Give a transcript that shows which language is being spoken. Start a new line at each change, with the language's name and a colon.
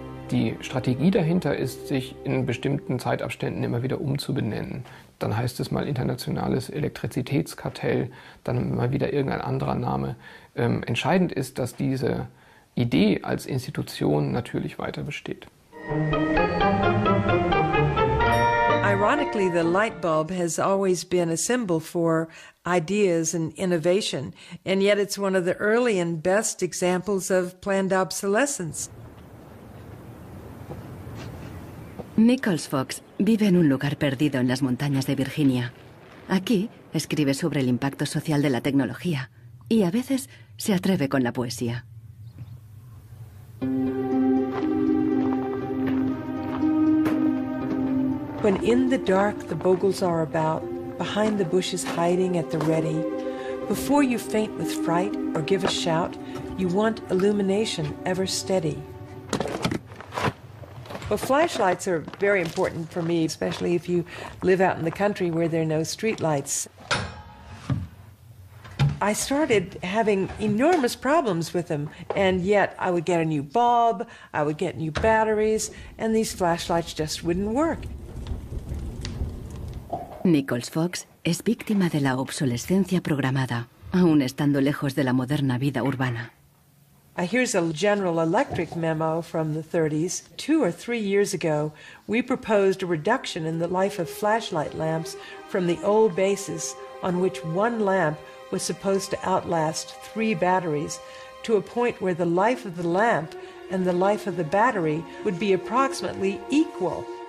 German: Die Strategie dahinter ist, sich in bestimmten Zeitabständen immer wieder umzubenennen. Dann heißt es mal internationales Elektrizitätskartell, dann mal wieder irgendein anderer Name. Entscheidend ist, dass diese Idee als Institution natürlich weiter besteht.
English: Ironically, the light bulb has always been a symbol for ideas and innovation, and yet it's one of the early and best examples of planned obsolescence.
Spanish: Nichols Fox vive en un lugar perdido en las montañas de Virginia. Aquí escribe sobre el impacto social de la tecnología y a veces se atreve con la poesía.
English: When in the dark the bogles are about, behind the bushes hiding at the ready, before you faint with fright or give a shout, you want illumination ever steady. Well, flashlights are very important for me, especially if you live out in the country where there are no streetlights. I started having enormous problems with them, and yet I would get a new bulb, I would get new batteries, and these flashlights just wouldn't work.
Spanish: Nichols Fox es víctima de la obsolescencia programada, aún estando lejos de la moderna vida urbana.
English: Here's a General Electric memo from the 30s. Two or three years ago, we proposed a reduction in the life of flashlight lamps from the old basis on which one lamp was supposed to outlast three batteries to a point where the life of the lamp and the life of the battery would be approximately equal.